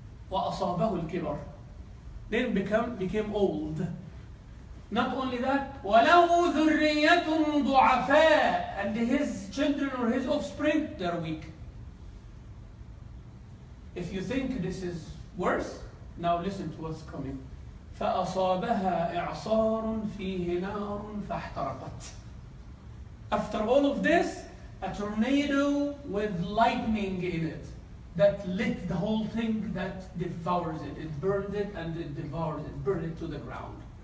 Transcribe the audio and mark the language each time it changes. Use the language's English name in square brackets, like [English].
[Arabic] وأصابه الكبر. [English] Then became old. Not only that, [Arabic] وله ذرية ضعفاء. [English] And his children or his offspring, they're weak. If you think this is worse, now listen to what's coming. [Arabic] فأصابها إعصار فيه نار فاحترقت. [English] After all of this, a tornado with lightning in it. That lit the whole thing, that devours it. It burned it and it devoured it, burned it to the ground.